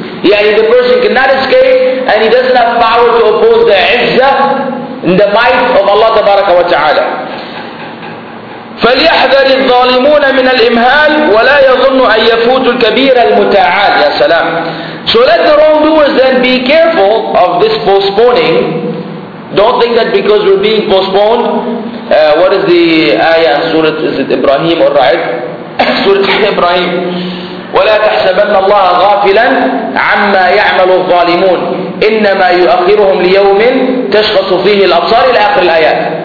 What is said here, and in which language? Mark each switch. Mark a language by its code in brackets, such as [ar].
[en] Yeah, the person cannot escape and he doesn't have power to oppose the izzah and the might of Allah tabaraka wa ta'ala. [ar] فَلْيَحْذَرِ الظَّالِمُونَ مِنَ الْإِمْهَالِ وَلَا يَظُنُّ أَن يَفُوتُ الْكَبِيرَ الْمُتَعَالِ. Ya salam. [en] So let the wrongdoers then be careful of this postponing. Don't think that because we're being postponed, what is the ayah in Surah, is it Ibrahim or Ra'id? [ar] Surah Ibrahim. وَلَا تَحْسَبَنَّ اللَّهَ غَافِلًا عَمَّا يَعْمَلُ الظَّالِمُونَ إِنَّمَا يُؤَخِّرُهُمْ لِيَوْمٍ تَشْخَصُ فِيهِ الْأَبْصَارِ الْآخِرِ الْآيَاتِ.